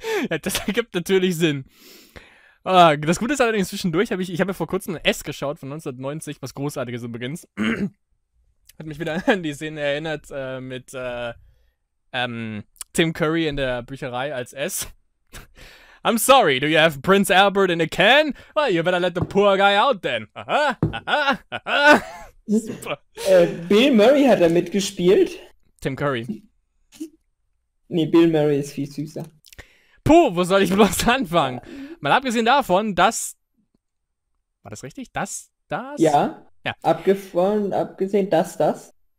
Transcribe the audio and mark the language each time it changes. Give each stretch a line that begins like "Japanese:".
German: Ja, das ergibt natürlich Sinn. Ah, das Gute ist allerdings, zwischendurch habe ich habe ja vor kurzem S geschaut von 1990, was Großartiges übrigens. Hat mich wieder an die Szene erinnert mit Tim Curry in der Bücherei als S.
English: I'm sorry, do you have Prince Albert in a can? Well, you better let the poor guy out then.
German: Aha, aha. Super. Bill Murray hat da mitgespielt. Tim Curry. Nee, Bill Murray ist viel süßer. Puh, wo soll ich bloß anfangen? Ja. Mal abgesehen davon, dass. War das richtig? Das? Ja, Ja. abgesehen das.